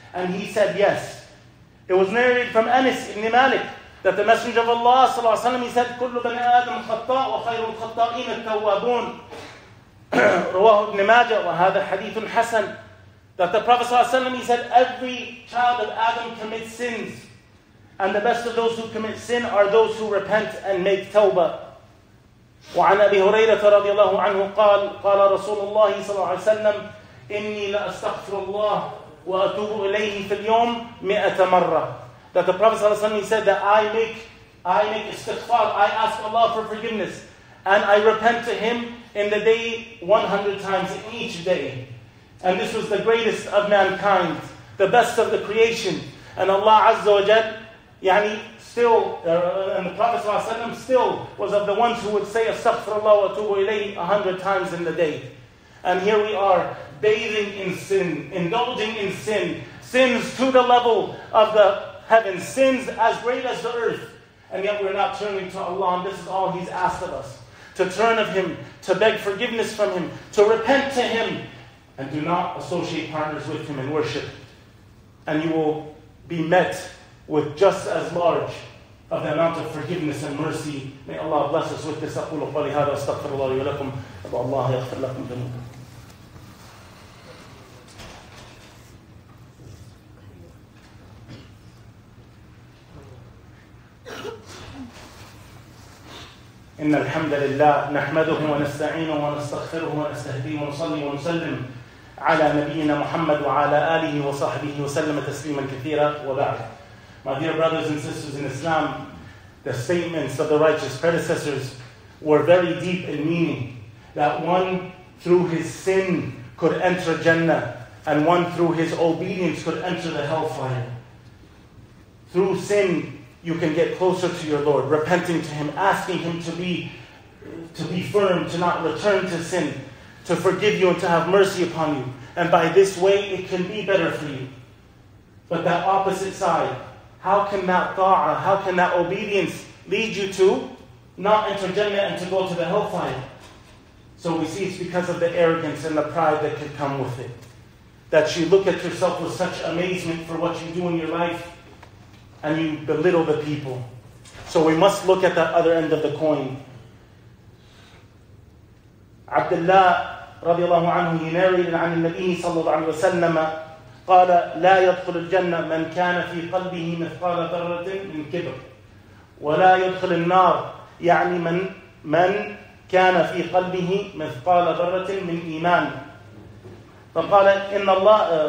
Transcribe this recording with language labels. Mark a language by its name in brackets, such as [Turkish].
[English] And he said, yes. It was narrated from Anas ibn Malik that the Messenger of Allah ﷺ, he said, [Arabic] كُلُّ بَنِ آدَمْ خَطَّاءُ وَخَيْرُ الْخَطَّائِينَ التَّوَّابُونَ رواه ابن ماجه وهذا حديث حسن [English] that the Prophet ﷺ, he said, every child of Adam commits sins. And the best of those who commit sin are those who repent and make tawbah. [Arabic] وعن أبي هريرة رضي الله عنه قال قال رسول الله صلى الله عليه وسلم إني لأستغفر الله وأتوب إليه في اليوم 100 مرة. [English] That the Prophet صلى الله عليه وسلم said that I make istighfar, I ask Allah for forgiveness, and I repent to Him in the day 100 times in each day. And this was the greatest of mankind, the best of the creation. And Allah Azza wa Jal Yani still, and the Prophet ﷺ still was of the ones who would say [Arabic] Astaghfirullah wa atubu ilayhi [English] 100 times in the day. And here we are, bathing in sin, indulging in sin, sins to the level of the heavens, sins as great as the earth. And yet we're not turning to Allah, and this is all He's asked of us. To turn of Him, to beg forgiveness from Him, to repent to Him, and do not associate partners with Him in worship. And you will be met with just as large of the amount of forgiveness and mercy. May Allah bless us with this. [Arabic] أقول قولي هذا استغفر الله لي ولكم أبو الله يغفر لكم ذنوبكم. إن إن الحمد لله نحمده ونستعينه ونستغفره ونستهديه ونصلي ونسلم على نبينا محمد وعلى آله وصحبه وسلم تسليما كثيرا وبعد. [English] My dear brothers and sisters in Islam, the statements of the righteous predecessors were very deep in meaning, that one through his sin could enter Jannah and one through his obedience could enter the hellfire. Through sin, you can get closer to your Lord, repenting to Him, asking Him to be firm, to not return to sin, to forgive you and to have mercy upon you. And by this way, it can be better for you. But that opposite side, how can that ta'ah, how can that obedience lead you to not enter Jannah and to go to the hellfire? So we see it's because of the arrogance and the pride that could come with it. That you look at yourself with such amazement for what you do in your life, and you belittle the people. So we must look at that other end of the coin. [Arabic] Abdullah رضي الله عنه narrated عن النبي صلى الله عليه وسلم قال لا يدخل الجنة من كان في قلبه مثقال ذرة من كبر ولا يدخل النار يعني من كان في قلبه مثقال ذرة من إيمان فقال إن الله